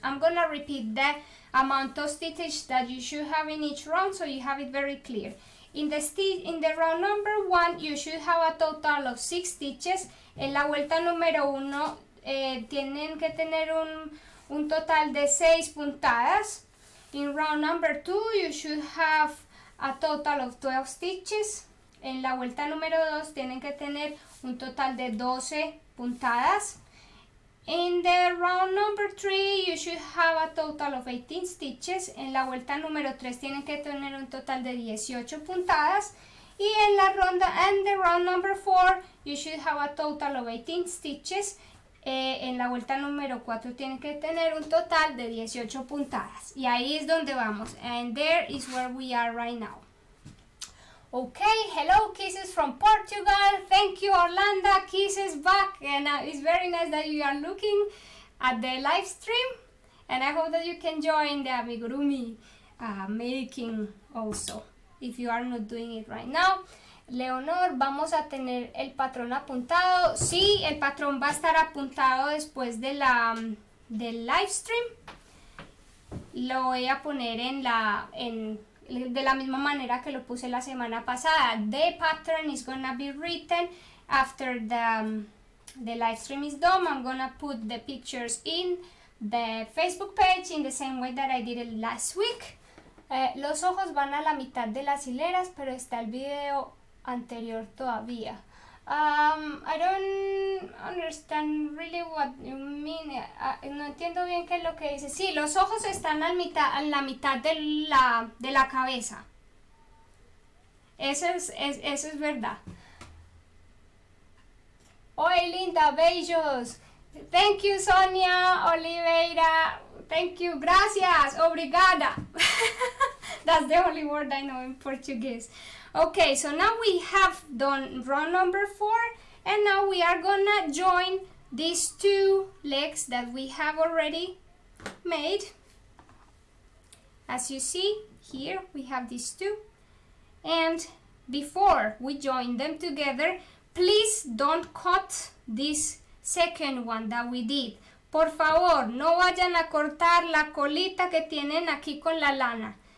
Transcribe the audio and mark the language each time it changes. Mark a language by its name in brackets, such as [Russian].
[English] I'm gonna repeat the amount of stitches that you should have in each round so you have it very clear. In the round number one, you should have a total of 6 stitches. [Spanish] En la vuelta número uno, tienen que tener un total de 6 puntadas. [English] In round number two, you should have a total of 12 stitches. [Spanish] En la vuelta número 2 tienen que tener un total de 12 puntadas. [English] In the round number 3, you should have a total of 18 stitches. [Spanish] En la vuelta número 3 tienen que tener un total de 18 puntadas. Y en la ronda, [English] and the round number 4, you should have a total of 18 stitches. [Spanish] En la vuelta número 4 tienen que tener un total de 18 puntadas. Y ahí es donde vamos. [English] And there is where we are right now. Okay, hello, kisses from Portugal. Thank you, Orlando. Kisses back. And it's very nice that you are looking at the live stream. And I hope that you can join the amigurumi making also, if you are not doing it right now. [Spanish] Leonor, ¿vamos a tener el patrón apuntado? Sí, el patrón va a estar apuntado después de del live stream. Lo voy a poner en la. En, de la misma manera que lo puse la semana pasada. [English] The pattern is gonna be written after the live stream is done. I'm gonna put the pictures in the Facebook page in the same way that I did it last week. [Spanish] Los ojos van a la mitad de las hileras, pero está el video anterior todavía. [English] I don't understand really what you mean. [Spanish] No entiendo bien qué es lo que dice. Sí, los ojos están en la mitad de la cabeza. Eso es verdad. Hoy, linda, bellos. [English] Thank you, [Spanish] Sonia Oliveira. [English] Thank you, gracias. Obrigada. That's the only word I know in Portuguese. Okay, so now we have done row number 4, and now we are gonna join these two legs that we have already made. As you see, here we have these two. And before we join them together, please don't cut this second one that we did. [Spanish] Por favor, no vayan a cortar la colita que tienen aquí con la lana.